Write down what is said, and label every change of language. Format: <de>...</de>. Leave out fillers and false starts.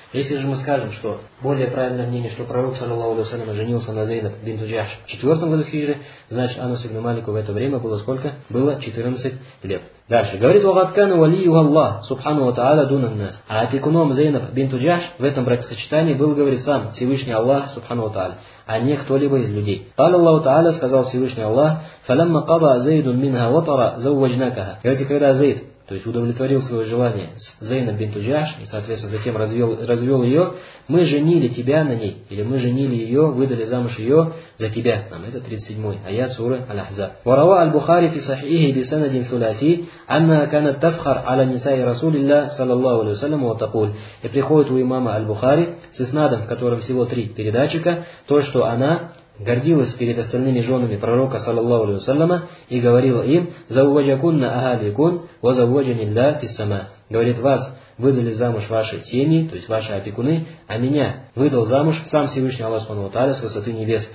<ru>Если же мы скажем, что более правильное мнение, что пророк, саллаллаху алейхи ва саллям, женился на Зейнаб бинту Джахш в 4-м году хиджры, значит Анасу ибн Малику в это время было сколько? Было 14 лет. Дальше. Говорит,</ru> <ar>«Вагаткану валию Аллах, субхану ва та'аля, дунан нас».</ar> <ru>А опекуном Зейнаб бинту Джахш в этом бракосочетании был, говорит, сам Всевышний Аллах, субхану ва та'аля, а не кто-либо из людей.</ru> <ar>قال الله تعالى,</ar> <ru>сказал Всевышний Аллах,</ru> <ar>فلما قضى زيد منها وطرا زوجناكها.</ar> <ru>Говорит, когда Зейд, то есть удовлетворил свое желание с Зейнаб бинту Джахш, и, соответственно, затем развел ее, мы женили тебя на ней, или мы женили ее, выдали замуж ее за тебя. Нам это 37-й аят суры Аль-Ахзаб.</ru> <ar>وروى البخاري في صحيحه بسند ثلاثي أنها كانت تفخر على نساء رسول الله صلى الله عليه وسلم وتقول.</ar> <ru>И приходит у имама Аль-Бухари с иснадом, в котором всего 3 передатчика, то, что она гордилась перед остальными женами пророка, саллаллаху алейхи ва саллям, и говорила им,</ru> <ar>«Заувваджакунна агаликун, ва заувваджанилля фиссама».</ar> <ru>Говорит, вас, выдали замуж ваши тени, то есть ваши опекуны, а меня выдал замуж сам Всевышний Аллах Субхану ва Тааля с высоты небес.</ru>